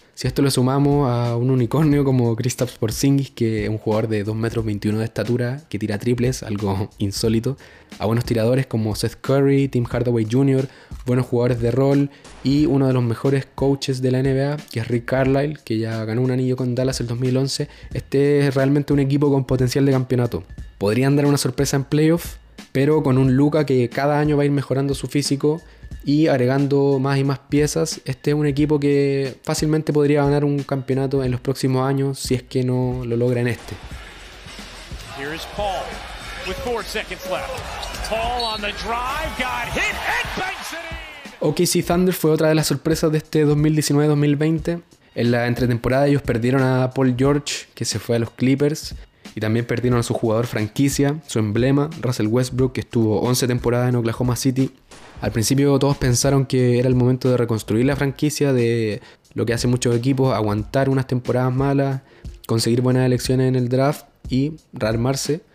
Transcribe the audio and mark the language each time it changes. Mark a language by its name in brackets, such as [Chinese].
[Spanish] Si a esto lo sumamos a un unicornio como Kristaps Porzingis, que es un jugador de 2 metros 21 de estatura, que tira triples, algo insólito, a buenos tiradores como Seth Curry, Tim Hardaway Jr., buenos jugadores de rol, y uno de los mejores coaches de la NBA, que es Rick Carlisle, que ya ganó un anillo con Dallas el 2011, este es realmente un equipo con potencial de campeonato. ¿Podrían dar una sorpresa en playoff? Pero con un Luka que cada año va a ir mejorando su físico y agregando más y más piezas, este es un equipo que fácilmente podría ganar un campeonato en los próximos años si es que no lo logra en este. [English] Here's Paul with 4 seconds left. Paul on the drive, got hit and banks it in. [Spanish] OKC Thunder fue otra de las sorpresas de este 2019-2020. En la entretemporada ellos perdieron a Paul George, que se fue a los Clippers. Y también perdieron a su jugador franquicia, su emblema, Russell Westbrook, que estuvo 11 temporadas en Oklahoma City. Al principio todos pensaron que era el momento de reconstruir la franquicia, de lo que hacen muchos equipos, aguantar unas temporadas malas, conseguir buenas elecciones en el draft y rearmarse.